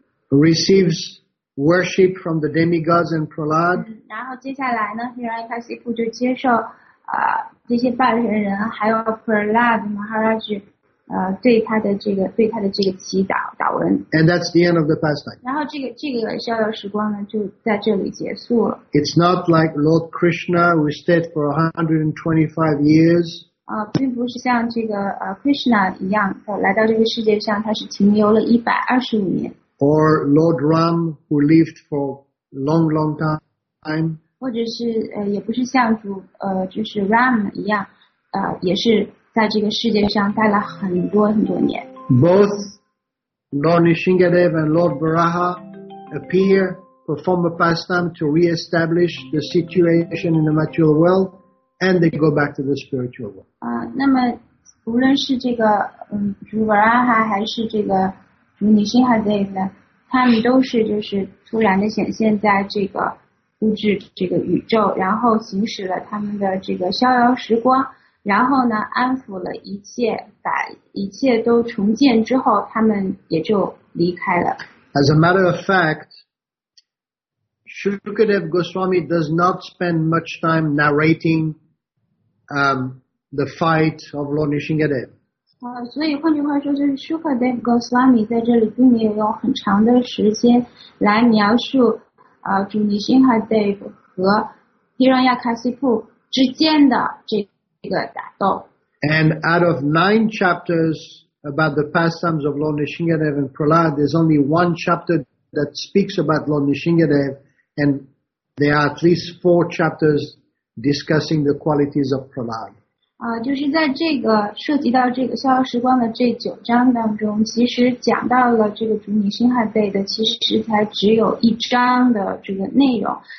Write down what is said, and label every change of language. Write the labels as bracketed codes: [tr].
[en] Receives worship from the demigods and Prahlad. [zh] 然后接下来呢 ，Hiranyakashipu 就接受这些半人人还有 Prahlad Maharaj 对他的这个祈祷祷文。 [en] And that's the end of the pastime. [zh] 然后这个逍遥时光呢就在这里结束了。 [en] It's not like Lord Krishna who stayed for 125 years. [zh] 并不是像这个Krishna 一样来到这个世界上他是停留了125年。 [en] Or Lord Ram who lived for long, long time. [zh] 或者是也不是像主就是 Ram 一样也是在这个世界上待了很多很多年。 [en] Both Lord Nrisimhadev and Lord Varaha appear, perform a pastime to re-establish the situation in the material world, and they go back to the spiritual world. [zh] 那么无论是这个主 Varaha 还是这个主 Nrisimhadev 呢，他们都是就是突然的显现在这个物质这个宇宙，然后行使了他们的这个逍遥时光。然后呢安抚了一切，把一切都重建之后，他们也就离开了。 [en] As a matter of fact, Shukadev Goswami does not spend much time narrating the fight of Lord Nisshinkadev. [zh] 所以换句话说，就是 Shukadev Goswami 在这里并没有用很长的时间来描述主尼辛哈德和 Hiranyakasipu 之间的这个。 [en] And out of 9 chapters about the pastimes of Lord Nisshinkadev and Prahlad, there's only one chapter that speaks about Lord Nisshinkadev, and there are at least 4 chapters discussing the qualities of Prahlad. [zh] 就是在这个涉及到这个逍遥时光的这九章当中，其实讲到了这个主尼辛哈德的，其实才只有一章的这个内容。